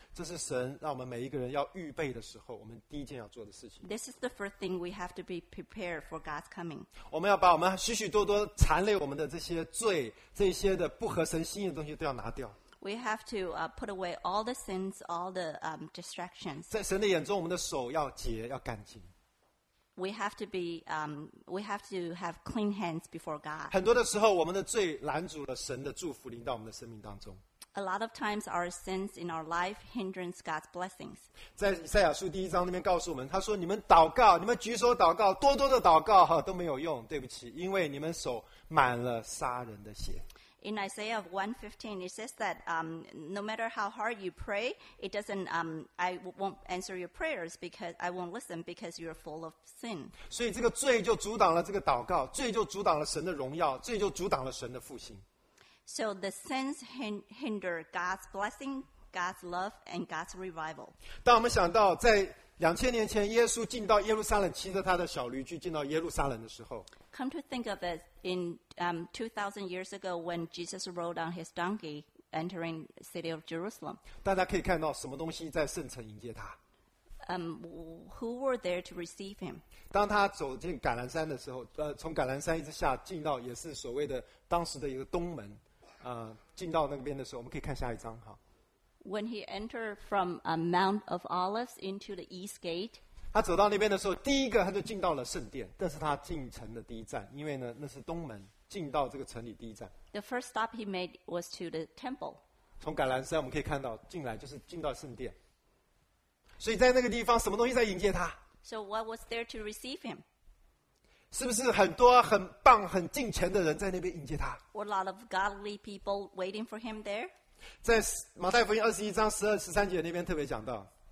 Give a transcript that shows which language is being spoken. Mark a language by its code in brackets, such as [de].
[zh] 这是神让我们每一个人要预备的时候，我们第一件要做的事情。 [en] This is the first thing we have to be prepared for God's coming. [zh] 我们要把我们许许多多缠累我们的这些罪，这些的不合神心意的东西都要拿掉。 [en] We have to put away all the sins, all the distractions. [zh] 在神的眼中，我们的手要洁，要干净。 [en] We have to be, we have to have clean hands before God. [zh] 很多的时候，我们的罪拦阻了神的祝福临到我们的生命当中。 [en] A lot of times, our sins in our life hinders God's blessings. [zh] 在以赛亚书第一章那边告诉我们，他说：“你们祷告，你们举手祷告，多多的祷告哈都没有用。对不起，因为你们手满了杀人的血。” [en] In Isaiah 1:15, it says that no matter how hard you pray, it doesn't. I won't answer your prayers because I won't listen because you're full of sin. [zh] 所以这个罪就阻挡了这个祷告，罪就阻挡了神的荣耀，罪就阻挡了神的复兴。 [en] So the sins hinder God's blessing, God's love, and God's revival. [zh] 当我们想到在2000年前耶稣进到耶路撒冷，骑着他的小驴驹进到耶路撒冷的时候。 [en] Come to think of it, in 2000 years ago, when Jesus rode on his donkey entering the city of Jerusalem. [zh] 大家可以看到什么东西在圣城迎接他。 [en] Who were there to receive him? [zh] 当他走进橄榄山的时候，从橄榄山一直下进到也是所谓的当时的一个东门，进到那边的时候，我们可以看下一章哈。 [en] When he entered from a Mount of Olives into the East Gate. [zh] 他走到那边的时候，第一个他就进到了圣殿，这是他进城的第一站，因为呢，那是东门，进到这个城里第一站。 [en] The first stop he made was to the temple. [zh] 从橄榄山我们可以看到，进来就是进到圣殿。所以在那个地方，什么东西在迎接他 [en] ？So what was there to receive him? [zh] 是不是很多很棒、很敬虔的人在那边迎接他 [en] ？Were a lot of godly people waiting for him there? [zh] 在马太福音二十一章十二十三节那边特别讲到。